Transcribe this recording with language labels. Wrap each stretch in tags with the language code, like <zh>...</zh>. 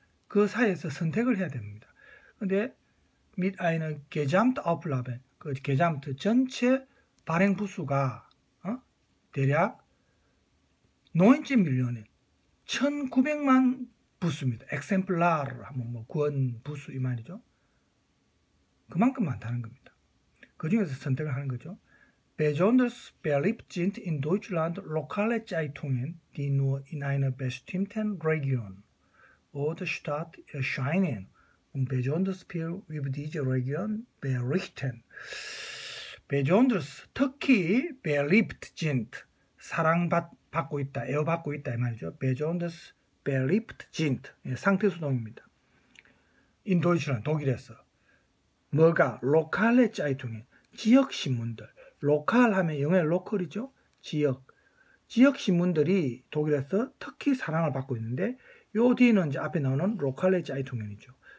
<ko>그 사이에서 선택을 해야 됩니다. 근데,</ko> <de>mit einer Gesamtauflage,</de> <ko>그 Gesamt 전체 발행 부수가, 대략 90 밀리언에 1900만 부수입니다. 엑셈플라르 하면 뭐 구원 부수 이 말이죠. 그만큼 많다는 겁니다. 그 중에서 선택을 하는 거죠.</ko> <de>Besonders beliebt sind in Deutschland lokale Zeitungen, die nur in einer bestimmten Region oder Stadt erscheinen und besonders viel über diese Region berichten.</de> <ko>Besonders, 특히</ko> <de>beliebt sind,</de> <ko>사랑받 받고 있다, 애호받고 있다 이 말이죠.</ko> <de>Besonders beliebt sind, 상태수동입니다. In Deutschland,</de> <ko>독일에서 뭐가 로컬의 짜이통에 지역 신문들, 로컬 하면 영어의 로컬이죠. 지역 신문들이 독일에서 특히 사랑을 받고 있는데 요 뒤에는 이제 앞에 나오는 로컬의 짜이통이죠.</ko>